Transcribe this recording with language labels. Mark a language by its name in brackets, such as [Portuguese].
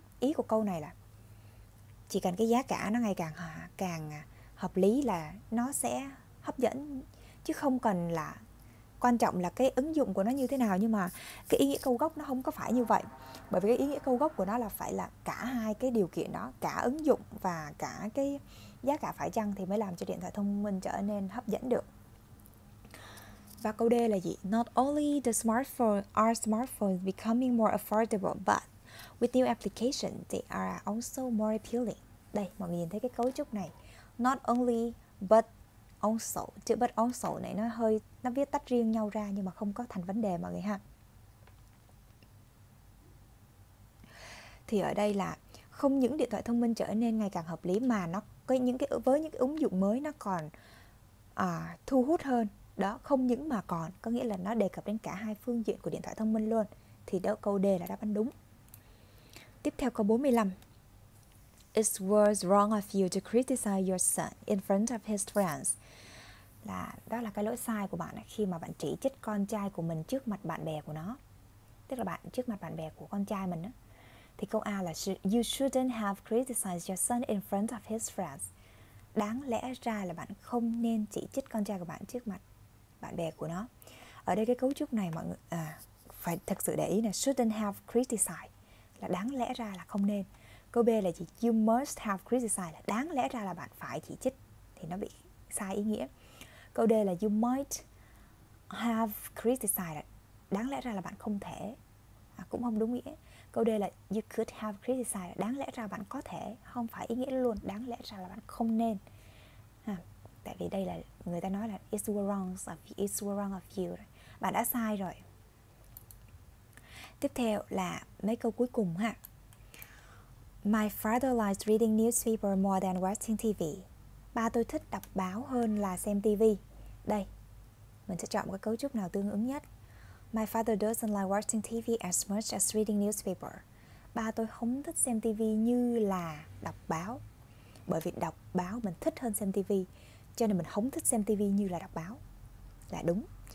[Vietnamese] Ý của câu này là chỉ cần cái giá cả nó ngày càng càng hợp lý là nó sẽ hấp dẫn, chứ không cần là quan trọng là cái ứng dụng của nó như thế nào. Nhưng mà cái ý nghĩa câu gốc nó không có phải như vậy. Bởi vì cái ý nghĩa câu gốc của nó là phải là cả hai cái điều kiện đó, cả ứng dụng và cả cái giá cả phải chăng, thì mới làm cho điện thoại thông minh trở nên hấp dẫn được. Và câu D là gì? [English] Not only the smartphone are smartphones becoming more affordable, but with new application, they are also more appealing. [Vietnamese] Đây, mọi người nhìn thấy cái cấu trúc này. [English] Not only, but also. [Vietnamese] Chữ but also này nó hơi, nó viết tách riêng nhau ra nhưng mà không có thành vấn đề mọi người ha. Thì ở đây là không những điện thoại thông minh trở nên ngày càng hợp lý mà nó có những cái, với những cái ứng dụng mới nó còn thu hút hơn. Đó, không những mà còn, có nghĩa là nó đề cập đến cả hai phương diện của điện thoại thông minh luôn. Thì đó, câu D là đáp án đúng. Tiếp theo câu 45. [English] It was wrong of you to criticize your son in front of his friends. [Vietnamese] Là đó là cái lỗi sai của bạn khi mà bạn chỉ trích con trai của mình trước mặt bạn bè của nó. Tức là bạn trước mặt bạn bè của con trai mình đó. Thì câu A là [English] you shouldn't have criticized your son in front of his friends. [Vietnamese] Đáng lẽ ra là bạn không nên chỉ trích con trai của bạn trước mặt bạn bè của nó. Ở đây cái cấu trúc này mọi người phải thật sự để ý là [English] shouldn't have criticized [Vietnamese] là đáng lẽ ra là không nên. Câu B là gì? [English] You must have criticized [Vietnamese] là đáng lẽ ra là bạn phải chỉ trích, thì nó bị sai ý nghĩa. Câu D là [English] you might have criticized [Vietnamese] là đáng lẽ ra là bạn không thể, cũng không đúng nghĩa. Câu D là [English] you could have criticized [Vietnamese] là đáng lẽ ra bạn có thể, không phải ý nghĩa luôn, đáng lẽ ra là bạn không nên. Tại vì đây là người ta nói là [English] it's wrong of you. [Vietnamese] Bạn đã sai rồi. Tiếp theo là mấy câu cuối cùng ha. [English] My father likes reading newspaper more than watching TV. [Vietnamese] Ba tôi thích đọc báo hơn là xem TV. Đây, mình sẽ chọn một cái cấu trúc nào tương ứng nhất. [English] My father doesn't like watching TV as much as reading newspaper. [Vietnamese] Ba tôi không thích xem TV như là đọc báo. Bởi vì đọc báo mình thích hơn xem TV, cho nên mình không thích xem TV như là đọc báo. Là đúng.